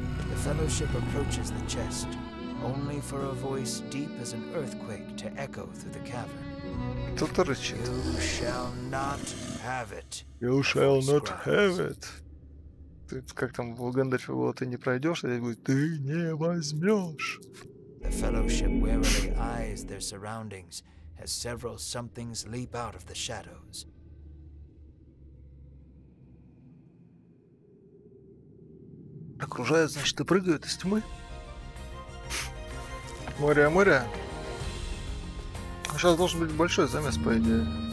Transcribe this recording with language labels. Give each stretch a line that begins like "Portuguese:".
English: The fellowship approaches the chest. Only for a voice deep as an earthquake to echo through the cavern.
Russian: Тут рычит.
English: You shall not have it. You shall not have it.
Russian: Ты как там в Гэндальфе было, ты не пройдешь, или будет, ты не возьмешь.
English: The fellowship warily eyes their surroundings as several somethings leap out of the shadows.
Russian: Окружают, значит, и прыгают из тьмы. Море, море. Сейчас должен быть большой замес, по идее.